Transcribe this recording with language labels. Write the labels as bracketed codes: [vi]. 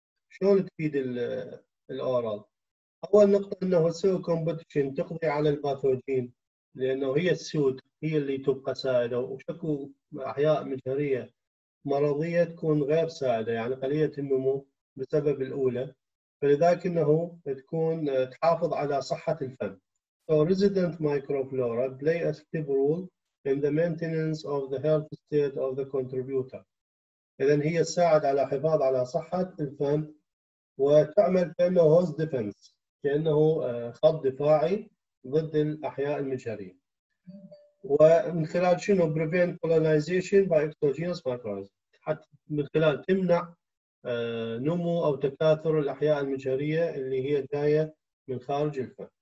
[ar] شلون تفيد الاورال؟ اول نقطه انه تسوي كومبتيشن، تقضي على الباثوجين، لانه هي السود هي اللي تبقى سائده، وشكو احياء مجهريه مرضيه تكون غير سائده، يعني قليله النمو بسبب الاولى، فلذلك انه تكون تحافظ على صحه الفم. [en] So resident microflora play a active role in the maintenance of the health state of the contributor. [ar] اذا هي تساعد على حفاظ على صحه الفم وتعمل كانه [en] host defense، [ar] كانه خط دفاعي ضد الاحياء المجهريه. ومن خلال شنو؟ [en] prevent colonization by exogenous microbes، [ar] حتى من خلال تمنع نمو او تكاثر الاحياء المجهريه اللي هي جايه من خارج الفم.